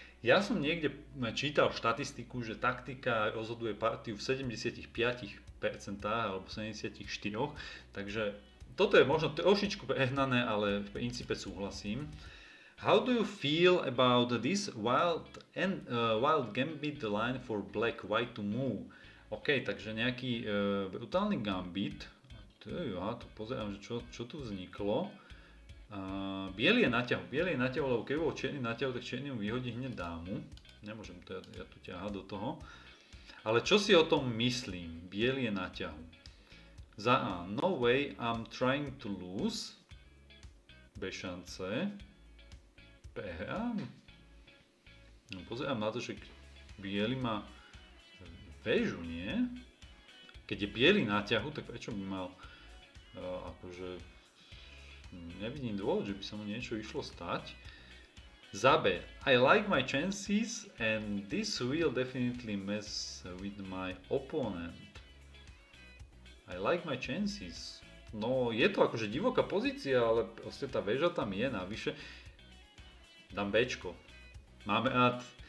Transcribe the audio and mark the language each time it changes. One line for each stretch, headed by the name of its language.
Slovak: Ja som niekde čítal štatistiku, že taktika rozhoduje partiu v 75% alebo 74%, takže toto je možno trošičku prehnané, ale v princípe súhlasím.
English: How do you feel about this wild gambit line for black white to move?
Slovak: OK, takže nejaký brutálny gambit. To pozerám, že čo tu vzniklo. Bielý je naťahu, lebo keby bol čierny naťahu, tak čierny mu vyhodí hneď dámu. Nemôžem to ja tu ťahať do toho. Ale čo si o tom myslím? Bielý je naťahu. Za A,
English: no way I'm trying to lose.
Slovak: B šance. Prehrám? No pozerám na to, že bielý má väžu, nie? Keď je bielý na ťahu, tak prečo by mal akože nevidím dôvod, že by sa mu niečo išlo stať. Za B.
English: I like my chances and this will definitely mess with my opponent. I like my chances.
Slovak: No je to akože divoká pozícia, ale proste tá väža tam je navyše. Dám Bčko. Máme ad.